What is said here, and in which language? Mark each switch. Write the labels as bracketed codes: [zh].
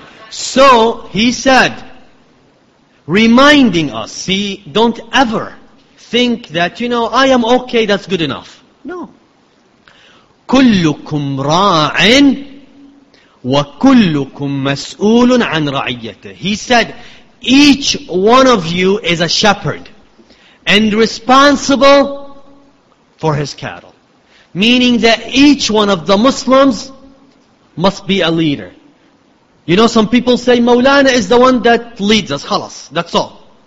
[en] So, he said, reminding us, see, don't ever think that, you know, I am okay, that's good enough. No. [ar] كلكم راعٍ وكلكم مسؤول عن رعيته. [en] He said, each one of you is a shepherd and responsible for his cattle. Meaning that each one of the Muslims must be a leader. You know, some people say, Mawlana is the one that leads us. Khalas, that's all.